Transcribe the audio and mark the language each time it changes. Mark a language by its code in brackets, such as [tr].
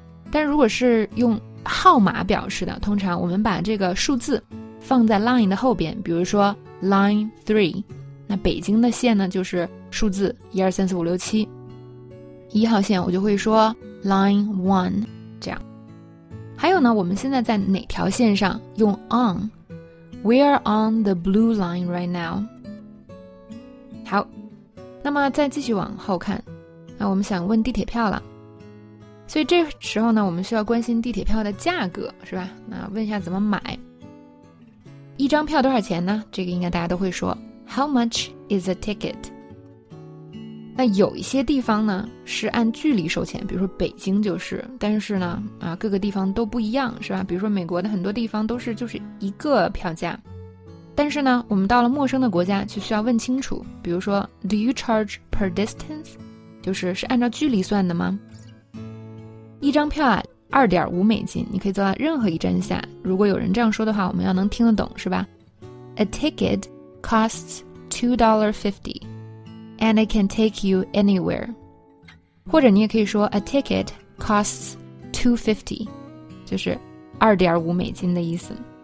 [zh] 但如果是用号码表示的，通常我们把这个数字放在 line 的后边，比如说 line 3， 那北京的线呢就是数字1234567，一号线我就会说 line 1，这样。还有呢，我们现在在哪条线上用 on， [en] We are on the blue line right now。 [zh] 好，那么再继续往后看，那我们想问地铁票了，所以这时候呢我们需要关心地铁票的价格，是吧？那问一下怎么买。一张票多少钱呢？这个应该大家都会说 [en] How much is a ticket？ [zh] 那有一些地方呢是按距离收钱，比如说北京就是，但是呢各个地方都不一样，是吧？比如说美国的很多地方都是就是一个票价，但是呢我们到了陌生的国家就需要问清楚，比如说 [en] Do you charge per distance？ [zh] 就是是按照距离算的吗？一张票啊2.5美金，你可以坐到任何一站下，如果有人这样说的话我们要能听得懂，是吧？ [en] A ticket costs $2.50And it can take you anywhere. [zh] 或者你也可以说 [en] A ticket costs $2.50, [zh] 就是2.5美金的意思。